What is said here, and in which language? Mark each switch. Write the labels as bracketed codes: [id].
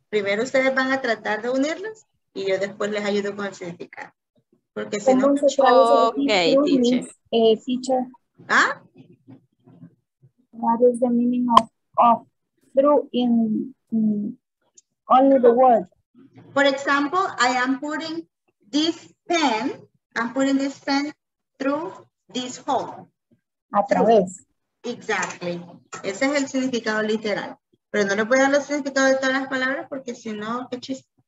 [es] Primero ustedes van a tratar de unirlos y yo después les ayudo con el significado. Porque si no, [en] okay, teacher. What is the meaning of through in only the word? For example, I am putting this pen, I'm putting this pen through this hole. [es] A través. Exactly. Ese es el significado literal. Pero no le voy a dar los significados de todas las palabras porque si no, qué chiste.